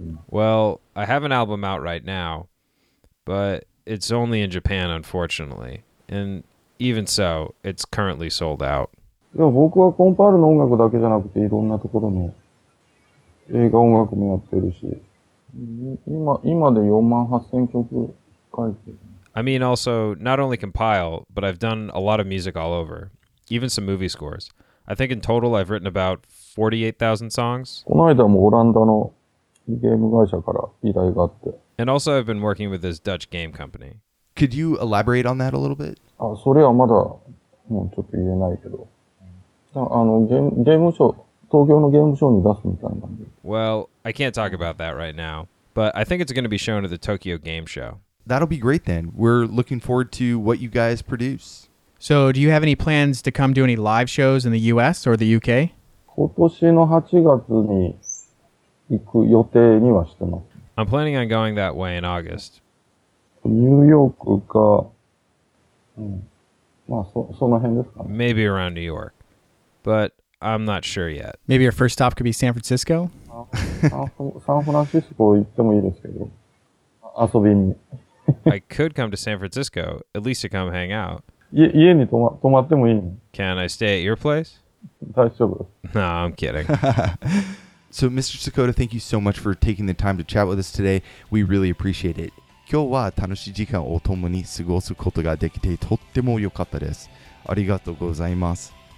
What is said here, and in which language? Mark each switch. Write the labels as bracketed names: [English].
[English] Well, I have an album out right now, but it's only in Japan, unfortunately. And even so, it's currently sold out. [Japanese] いや、僕はコンパールの音楽だけじゃなくていろんなところの映画音楽もやってるし、今で48,000曲書いてる。 [English] I mean, also, not only compile, but I've done a lot of music all over, even some movie scores. I think in total, I've written about 48,000 songs. [Japanese] この間もオランダのゲーム会社から依頼があって。 [English] And also I've been working with this Dutch game company. Could you elaborate on that a little bit? [Japanese] あ、それはまだもうちょっと言えないけど。あの、ゲームショー、東京のゲームショーに出すみたいなんで。 [English] Well, I can't talk about that right now, but I think it's going to be shown at the Tokyo Game Show. That'll be great then. We're looking forward to what you guys produce. So do you have any plans to come do any live shows in the US or the UK? [Japanese] 今年の8月に行く予定にはしてます。 [English] I'm planning on going that way in August. [Japanese] ニューヨークか、うん、まあその辺ですかね。 [English] Maybe around New York. But I'm not sure yet. Maybe your first stop could be San Francisco? [Japanese] サンフランシスコ行ってもいいですけど、遊びに。 [English] I could come to San Francisco, at least to come hang out. [Japanese] 家に泊まってもいいの? [English] Can I stay at your place? No, I'm kidding. So, Mr. Sakoda, thank you so much for taking the time to chat with us today. We really appreciate it. [Japanese] 今日は楽しい時間を共に過ごすことができてとっても良かったです。ありがとうございます。